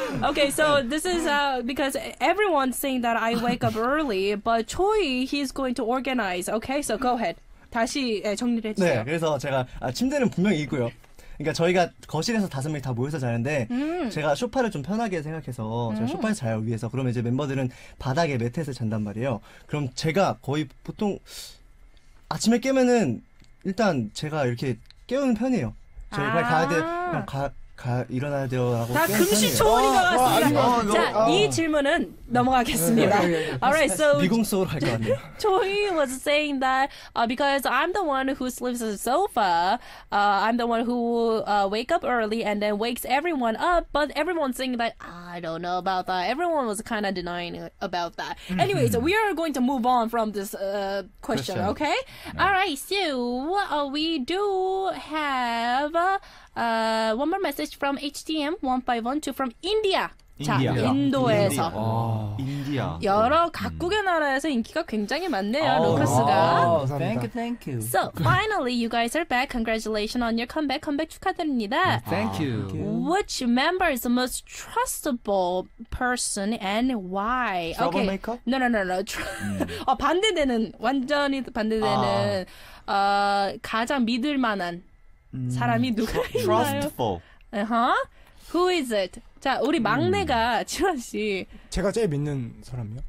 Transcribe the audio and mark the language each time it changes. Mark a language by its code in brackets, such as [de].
[en] Okay, so this is because everyone's saying that I wake up early, but Choi he's going to organize. Okay, so go ahead. [ko] 다시 정리를 해주세요. 네, 그래서 제가 침대는 분명히 있고요. 그러니까 저희가 거실에서 다섯 명이 다 모여서 자는데 제가 소파를 좀 편하게 생각해서 제가 소파에 자요 위에서 그러면 이제 멤버들은 바닥에 매트에서 잔단 말이에요. 그럼 제가 거의 보통 아침에 깨면은 일단 제가 이렇게 깨우는 편이에요. 저희 빨리 가야 돼. 그냥 가 일어나야 돼요라고. 다 금시초원인 것 같습니다. 자, 이 질문은 넘어가겠습니다. [en] Alright, so [ko] 미궁 속으로 갈 것 같네요. [en] Choi was saying that because I'm the one who sleeps on the sofa, I'm the one who wake up early and then wakes everyone up. But everyone's saying that I don't know about that. Everyone was kind of denying about that. Anyway, so we are going to move on from this question, okay? Alright, so we do have. One more message from HDM1512 from India. [ko] 자, 인도에서. 인디아. 여러 각국의 나라에서 인기가 굉장히 많네요, 루커스가. [en] Thank you, thank you. So, finally, you guys are back. Congratulations on your comeback. [ko] 컴백 축하드립니다. [en] Thank you. Thank you. Which member is the most trustable person and why? Troublemaker? Okay. No. [ko] 반대되는, 완전히 반대되는, 가장 믿을만한. 사람이 누가 있나요? [en] Trustful. Uh-huh. Who is it? [ko] 자, 우리 막내가 지원 씨. 제가 제일 믿는 사람이요?